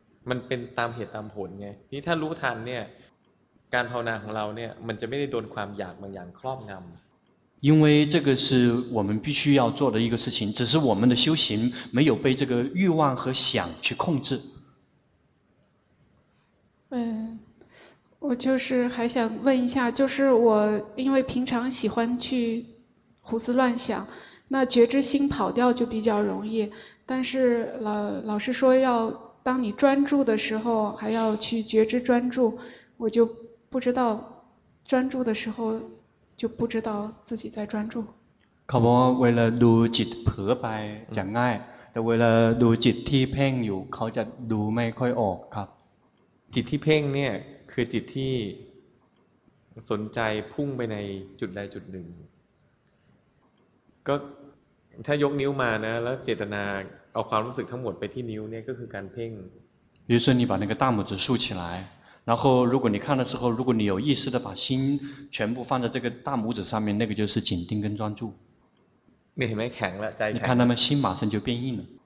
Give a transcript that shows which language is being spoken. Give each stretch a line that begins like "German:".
Thai: มันเป็นตามเหตุตามผลไงถ้ารู้ทันเนี่ยการภาวนาของเราเนี่ยมันจะไม่ได้โดนความอยากบางอย่างครอบงำ
Chinese: 因为这个是我们必须要做的一个事情只是我们的修行没有被这个欲望和想去控制嗯，我就是还想问一下就是我因为平常喜欢去胡思乱想那觉知心跑掉就比较容易但是老师说要当你专注的时候还要去觉知专注我就不知道专注的时候就不知道自己在专注
Thai: ขาบอกว่าเวลาดูจิตเผลอไปจะง่ายแต่เวลาดูจิตที่เพ่งอยู่เขาจะดูไม่ค่อยออกครับ จิตที่เพ่งเนี่ยคือจิตที่สนใจพุ่งไปในจุดใดจุดหนึ่งก็ถ้ายกนิ้วมานะแล้วเจตนาเอาความรู้สึกทั้งหมดไปที่นิ้วเนี่ยก็คือการเพ่ง
Chinese: 于是你把那个大拇指竖起来然后如果你看了之后如果你有意识的把心全部放在这个大拇指上面那个就是紧盯跟专注你还没扛了再看你看他们心马上就变硬了